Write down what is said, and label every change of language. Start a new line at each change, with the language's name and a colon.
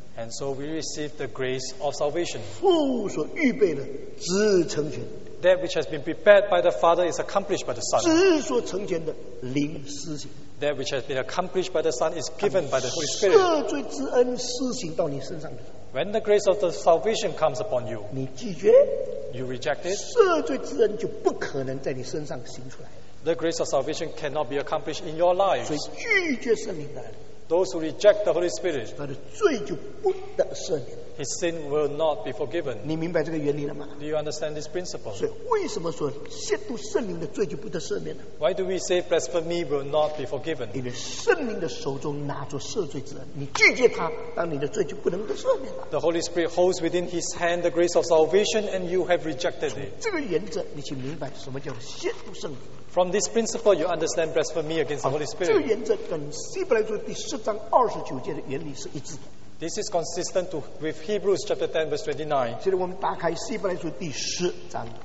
English: And so we received the grace of salvation.
Chinese: 父所预备的，子成全。
English: That which has been prepared by the Father is accomplished by the Son.
Chinese: 子所成全的，灵施行。
English: That which has been accomplished by the Son is given by the Holy Spirit.
Chinese: 赦罪之恩施行到你身上。
English: When the grace of the salvation comes upon you,
Chinese: 你拒绝,
English: you reject it,
Chinese: 赦罪之恩就不可能在你身上行出来。
English: The grace of salvation cannot be accomplished in your lives.
Chinese: 所以拒绝圣灵的人,
English: those who reject the Holy Spirit,
Chinese: 他的罪就不得赦免,
English: his sin will not be forgiven.
Chinese: 你明白这个原理了吗?
English: Do you understand this principle?
Chinese: 所以为什么说亵渎圣灵的罪就不得赦免呢?
English: Why do we say blasphemy will not be forgiven?
Chinese: 你的圣灵的手中拿着赦罪之恩, 你拒绝他, 当你的罪就不能得赦免了。
English: The Holy Spirit holds within his hand the grace of salvation and you have rejected it.
Chinese: 从这个原则, 你去明白什么叫亵渎圣灵。
English: From this principle, you understand blasphemy against the Holy Spirit.
Chinese: 这个原则跟希伯来书第十章二十九节的原理是一致的。
English: This is consistent with Hebrews chapter 10, verse 29.
Chinese: 现在我们打开希伯来书第十章。